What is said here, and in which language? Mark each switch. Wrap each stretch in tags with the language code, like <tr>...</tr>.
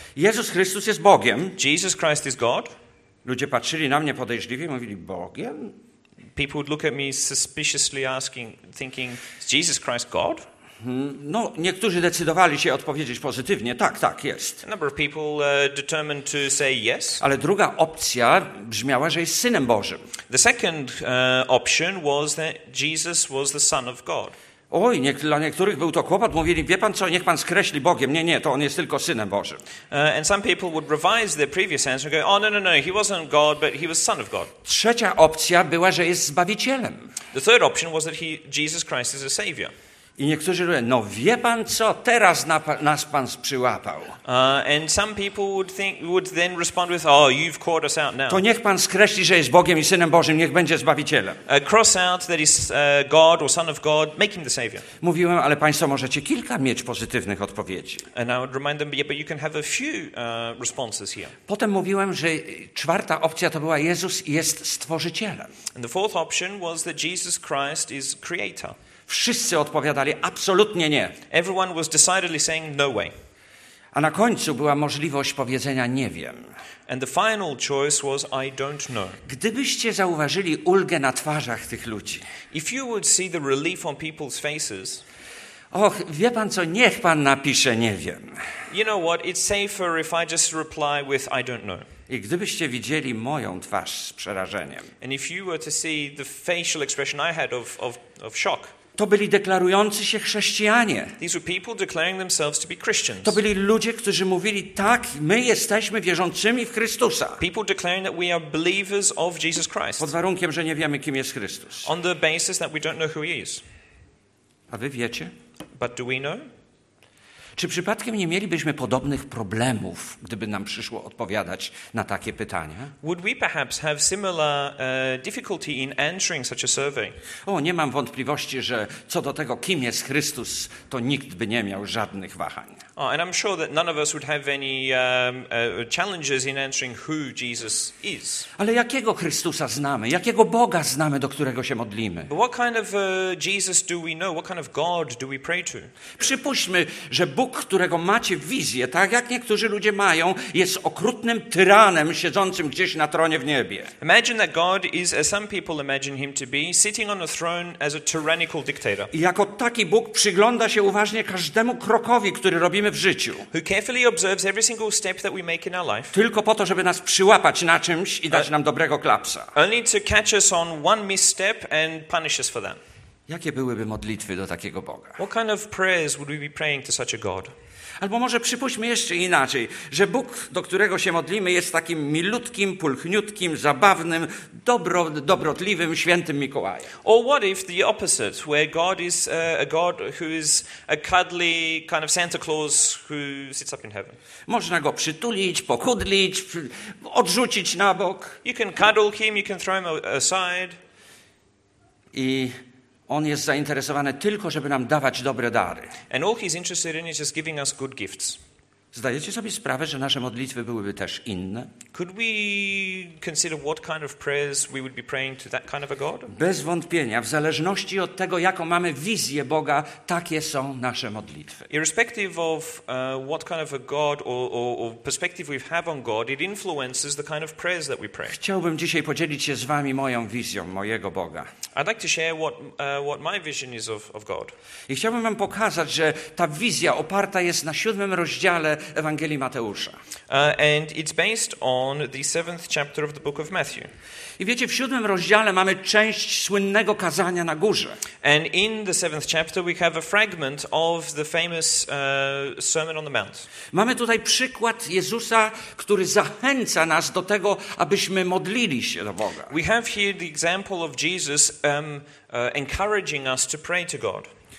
<pl>Jezus Chrystus jest Bogiem.</pl> <en>Jesus Christ is God.</en> <pl>Ludzie patrzyli na mnie podejrzliwie, mówili: Bogiem?</pl> <en>People would look at me suspiciously asking, thinking, is Jesus Christ God?</en> <pl>No, niektórzy decydowali się odpowiedzieć pozytywnie. Tak, tak, jest.</pl> <en>A number of people determined to say yes.</en> <pl>Ale druga opcja brzmiała, że jest Synem Bożym.</pl> <en>The second option was that Jesus was the Son of God.</en> <pl>Oj, dla niektórych był to kłopot. Mówili, wie pan co, niech pan skreśli Bogiem. Nie, nie, to on jest tylko Synem Bożym.</pl> <en>And some people would revise their previous answer and go, oh, no, he wasn't God, but he was Son of God.</en> <pl>Trzecia opcja była, że jest Zbawicielem.</pl> <en>The third option was that Jesus Christ is a Savior.</en> <pl>I niektórzy mówią, no wie pan co, teraz nas pan przyłapał.</pl> <en>And some people would then respond with, oh, you've caught us out now.</en> <pl>To niech pan skreśli, że jest Bogiem i Synem Bożym, niech będzie Zbawicielem.</pl> <en>Cross out that he's God or Son of God, make him the Savior.</en> <pl>Mówiłem, ale państwo możecie kilka mieć pozytywnych odpowiedzi.</pl> <en>And I would remind them, yeah, but you can have a few responses here.</en> <pl>Potem mówiłem, że czwarta opcja to była Jezus jest Stworzycielem.</pl> <en>And the fourth option was that Jesus Christ is Creator.</en> <pl>Wszyscy odpowiadali absolutnie nie.</pl> <en>Everyone was decidedly saying no way.</en> <pl>A na końcu była możliwość powiedzenia nie wiem.</pl> <en>And the final choice was I don't know.</en> <pl>Gdybyście zauważyli ulgę na twarzach tych ludzi.</pl> <en>If you would see the relief on people's faces.</en> <pl>Och, wie pan co, niech pan napisze nie wiem.</pl> <en>You know what, it's safer if I just reply with I don't know.</en> <pl>I gdybyście widzieli moją twarz z przerażeniem.</pl> <en>And if you were to see the facial expression I had of shock.</en> <pl>To byli deklarujący się chrześcijanie.</pl> <en>These were people declaring themselves to be Christians.</en> <pl>To byli ludzie, którzy mówili, tak, my jesteśmy wierzącymi w Chrystusa.</pl> <en>People declaring that we are believers of Jesus Christ.</en> <pl>Pod warunkiem, że nie wiemy, kim jest Chrystus.</pl> <en>On the basis that we don't know who he is.</en> <pl>A wy wiecie?</pl> <en>But do we know?</en> <pl>Czy przypadkiem nie mielibyśmy podobnych problemów, gdyby nam przyszło odpowiadać na takie pytania?</pl> <en>Would we perhaps have similar difficulty in answering such a survey?</en> <pl>O, nie mam wątpliwości, że co do tego, kim jest Chrystus, to nikt by nie miał żadnych wahań.</pl> <en>Oh, and I'm sure that none of us would have any challenges in answering who Jesus is.</en> <pl>Ale jakiego Chrystusa znamy? Jakiego Boga znamy, do którego się modlimy?</pl> <en>But what kind of Jesus do we know? What kind of God do we pray to?</en> <pl>Przypuśćmy, że Bóg, którego macie wizję, tak jak niektórzy ludzie mają, jest okrutnym tyranem siedzącym gdzieś na tronie w niebie.</pl> <en>Imagine that God is, as some people imagine him to be, sitting on a throne as a tyrannical dictator.</en> <pl>I jako taki Bóg przygląda się uważnie każdemu krokowi, który robi w życiu.</pl> <en>Who carefully observes every single step that we make in our life.</en> <pl>Tylko po to, żeby nas przyłapać na czymś i dać nam dobrego klapsa.</pl> <en>Only to catch us on one misstep and punish us for that.</en> <pl>Jakie byłyby modlitwy do takiego Boga?</pl> <en>What kind of prayers would we be praying to such a God?</en> <pl>Albo może przypuśćmy jeszcze inaczej, że Bóg, do którego się modlimy, jest takim milutkim, pulchniutkim, zabawnym, dobrotliwym, świętym Mikołajem.</pl> <en>Or what if the opposite, where God is a God who is a cuddly kind of Santa Claus who sits up in heaven.</en> <pl>Można go przytulić, pokudlić, odrzucić na bok.</pl> <en>You can cuddle him, you can throw him aside.</en> <pl>I On jest zainteresowany tylko, żeby nam dawać dobre dary.</pl> <en>And all he's interested in is just giving us good gifts.</en> <pl>Zdajecie sobie sprawę, że nasze modlitwy byłyby też inne?</pl> <en>Could we consider what kind of prayers we would be praying to that kind of a God?</en> <pl>Bez wątpienia, w zależności od tego, jaką mamy wizję Boga, takie są nasze modlitwy.</pl> <en>Irrespective of what kind of a God or perspective we have on God, it influences the kind of prayers that we pray.</en> <pl>Chciałbym dzisiaj podzielić się z wami moją wizją mojego Boga.</pl> <en>I'd like to share what my vision is of God.</en> <pl>I chciałbym wam pokazać, że ta wizja oparta jest na 7 rozdziale Ewangelii Mateusza.</pl> <en>And it's based on the 7th chapter of the book of Matthew.</en> <pl>I wiecie, w 7 rozdziale mamy część słynnego kazania na górze.</pl> <en>And in the 7th chapter we have a fragment of the famous Sermon on the Mount.</en> <pl>Mamy tutaj przykład Jezusa, który zachęca nas do tego, abyśmy modlili się do Boga.</pl> <en>We have here the example of Jesus encouraging us to pray to God.</en>